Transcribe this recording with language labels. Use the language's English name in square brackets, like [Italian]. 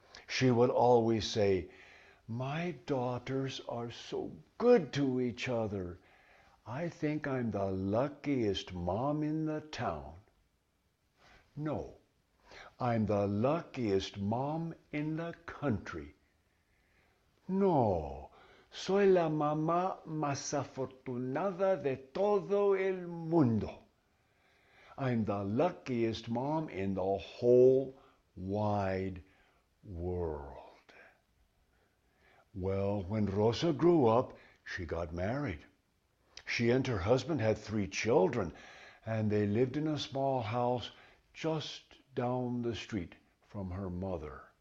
[English] She would always say, "My daughters are so good to each other. I think I'm the luckiest mom in the town." No, I'm the luckiest mom in the country. [Spanish] No, soy la mamá más afortunada de todo el mundo. [English] I'm the luckiest mom in the whole wide world. Well, when Rosa grew up, she got married. She and her husband had 3 children, and they lived in a small house just down the street from her mother.